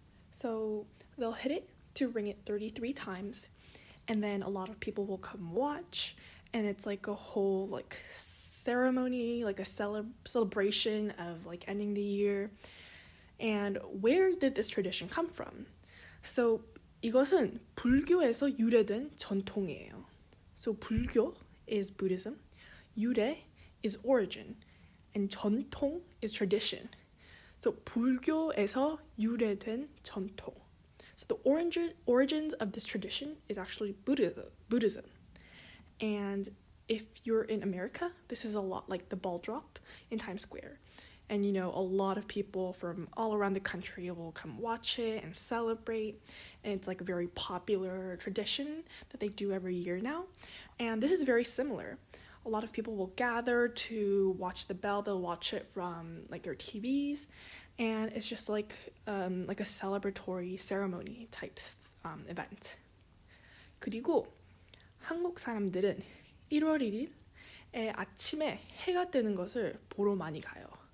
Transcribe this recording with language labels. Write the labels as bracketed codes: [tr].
[en] So they'll hit it to ring it 33 times, and then a lot of people will come watch, and it's like a whole like ceremony, like a celebration of like ending the year. And where did this tradition come from? [ko] So 이것은 불교에서 유래된 전통이에요. [en] So 불교 is Buddhism, 유래 is origin, and 전통 is tradition. [ko] So 불교에서 유래된 전통. [en] So the origins of this tradition is actually Buddhism. And if you're in America, this is a lot like the ball drop in Times Square. And you know, a lot of people from all around the country will come watch it and celebrate. And it's like a very popular tradition that they do every year now. And this is very similar. A lot of people will gather to watch the bell. They'll watch it from like their TVs. And it's just like a celebratory ceremony type event. [ko] 그리고 한국 사람들은 1월 1일에 아침에 해가 뜨는 것을 보러 많이 가요.